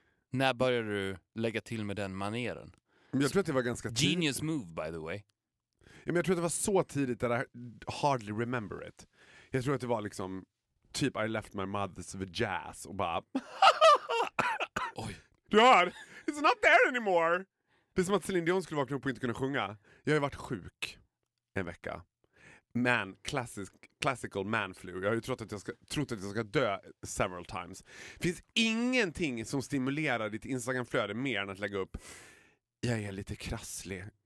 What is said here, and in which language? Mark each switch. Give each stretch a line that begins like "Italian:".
Swedish: När började du lägga till med den maneren? Men jag tror att det var ganska tidigt.
English: Genius move, by the way.
Swedish: Ja, men jag tror att det var så tidigt
English: that I hardly remember it.
Swedish: Jag tror att det var liksom typ
English: I left my mother's vajazz
Swedish: och bara... Oj.
English: God, it's not there anymore.
Swedish: Det är som att Celine Dion skulle vakna upp och inte kunna sjunga. Jag har varit sjuk en vecka.
English: Man, classical man flu.
Swedish: Jag har ju trott att jag ska dö
English: several times.
Swedish: Finns ingenting som stimulerar ditt Instagram-flöde mer än att lägga upp: jag är lite krasslig.